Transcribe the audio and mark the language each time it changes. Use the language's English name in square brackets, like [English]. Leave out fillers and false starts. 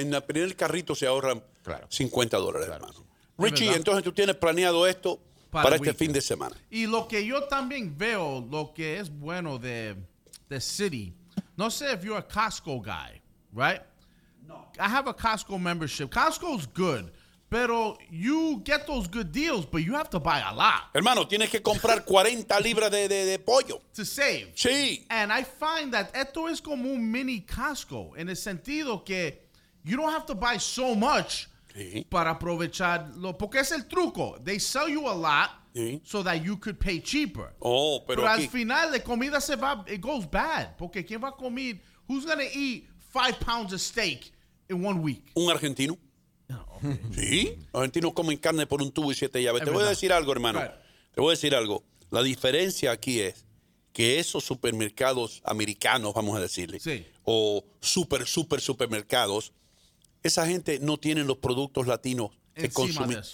[Spanish] En el carrito se ahorran $50, claro, hermano. Sí. Richie, entonces tú tienes planeado esto para este fin de semana. Y lo que yo también veo, lo que es bueno de City, no sé [English] if you're a Costco guy, right? No. I have a Costco membership. Costco's good. Pero you get those good deals, but you have to buy a lot. [Spanish] Hermano, tienes que comprar 40 libras de pollo. [English] To save. [Spanish] Sí. [English] And I find that [Spanish] esto es como un mini Costco, en el sentido que [English] you don't have to buy so much [Spanish] para aprovecharlo. Porque es el truco. [English] They sell you a lot so that you could pay cheaper. Oh, [Spanish] pero al final la comida se va, [English] it goes bad. [Spanish] Porque quién va a comer, [English] who's going to eat 5 pounds of steak in 1 week? [Spanish] Un argentino. Sí, argentinos comen carne por un tubo y 7 llaves. Te voy a decir algo, hermano. Te voy a decir algo. La diferencia aquí es que esos supermercados americanos, vamos a decirle, o super supermercados, esa gente no tiene los productos latinos que consumen.